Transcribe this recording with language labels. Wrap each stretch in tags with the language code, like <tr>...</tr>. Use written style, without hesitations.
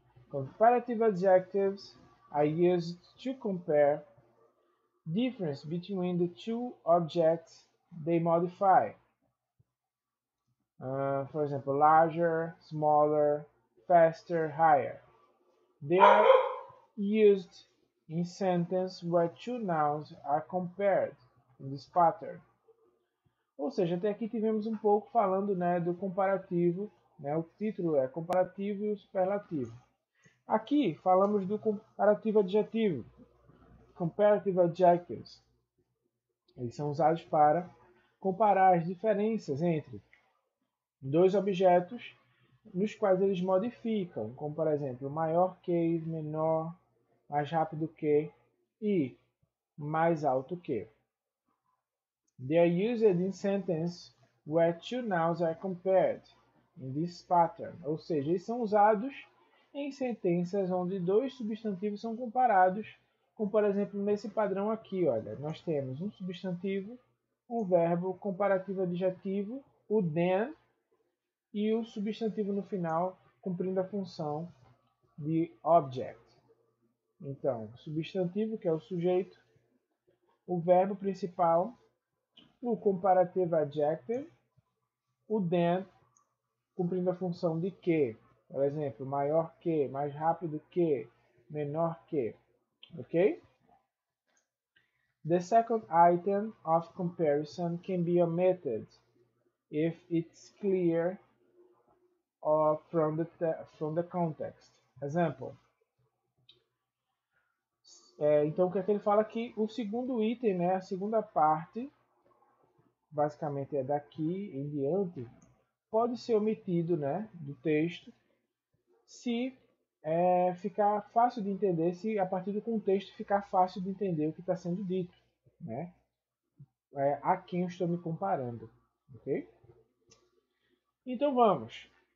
<en>Comparative adjectives are used to compare difference between the two objects they modify. For example, larger, smaller, faster, higher. They are used in sentence where two nouns are compared in this pattern.</en> <pt>Ou seja, até aqui tivemos um pouco falando, né, do comparativo, né? O título é comparativo e o superlativo. Aqui falamos do comparativo adjetivo, comparative adjectives. Eles são usados para comparar as diferenças entre dois objetos nos quais eles modificam, como por exemplo, maior que, menor, mais rápido que e mais alto que.</pt> <en>They are used in sentence where two nouns are compared in this pattern.</en> <pt>Ou seja, eles são usados em sentenças onde dois substantivos são comparados, como por exemplo nesse padrão aqui, olha. Nós temos um substantivo, um verbo, comparativo adjetivo, o then, e o substantivo no final cumprindo a função de object. Então, substantivo, que é o sujeito, o verbo principal, o comparative adjective, o then, cumprindo a função de que. Por exemplo, maior que, mais rápido que, menor que. Ok?</pt> <en>The second item of comparison can be omitted if it's clear or from the context. Example.</en> <pt>Então, o que é que ele fala aqui? O segundo item, né, a segunda parte, basicamente é daqui em diante, pode ser omitido, né, do texto se ficar fácil de entender, se a partir do contexto ficar fácil de entender o que está sendo dito, né, a quem eu estou me comparando. Okay? Então vamos.</pt>